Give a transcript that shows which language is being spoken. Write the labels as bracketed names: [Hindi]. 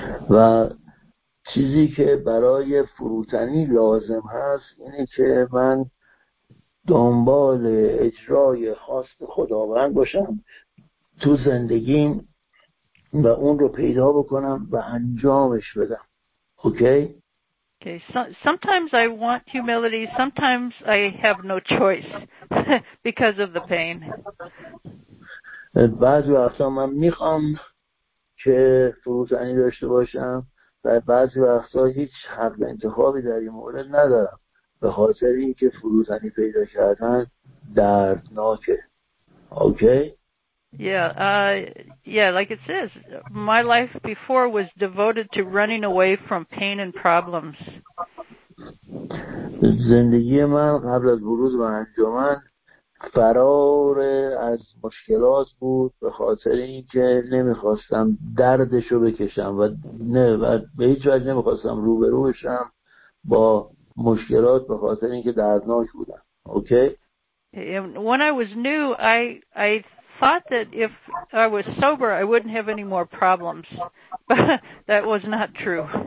[Persian] و چیزی که برای فروتنی لازم هست اینه که من دنبال اجرای خواست خداوند باشم تو زندگیم و اون رو پیدا بکنم و انجامش بدم. اوکی؟ [English] Okay. So, sometimes I want humility. Sometimes I have no choice because of the pain. [Persian] بعضی وقتا من میخوام که فروتنی داشته باشم و بعضی وقتا هیچ حق انتخابی در این مورد ندارم به خاطر اینکه فروتنی پیدا کردن دردناکه. [English] Okay. Yeah, like it says, my life before was devoted to running away from pain and problems. [Persian] زندگی من قبل از بروز و انجمن فرار از مشکلات بود به خاطر اینکه نمیخواستم دردشو بکشم و به هیچ وجه نمیخواستم روبرو بشم با مشکلات به خاطر اینکه دردناک بودم. اوکی؟ [English] When I was new, I thought that if I was sober I wouldn't have any more problems, but that was not true.